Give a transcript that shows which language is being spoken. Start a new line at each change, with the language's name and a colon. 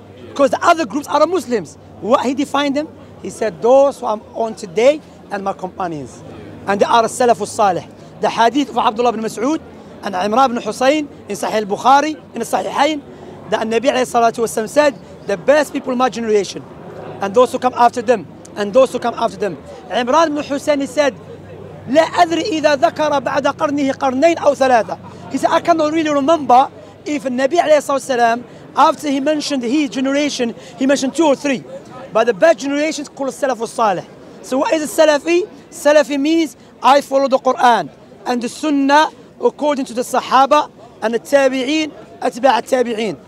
English: Because the other groups are Muslims. What he defined them? He said, those who I'm on today and my companions. And they are Salaf al-Saleh. The hadith of Abdullah ibn Mas'ud and Imran ibn Husayn in Sahih al-Bukhari, in Sahihain, that Nabi alayhi salatu wasalam said, the best people of my generation, and those who come after them, and those who come after them.
Arabic: Imran ibn Husayn,
English: he said,
Arabic: لا أدري إذا ذكر بعد قرنه قرنين أو ثلاثة.
English: He said, I cannot really remember if Nabi alayhi salatu wasalam, after he mentioned his generation, he mentioned two or three. But the best generation is called Salaf al-Saleh. So what is a Salafi? Salafi means I follow the Quran and the Sunnah according to the Sahaba and the Tabi'een, Atba' al-Tabi'een.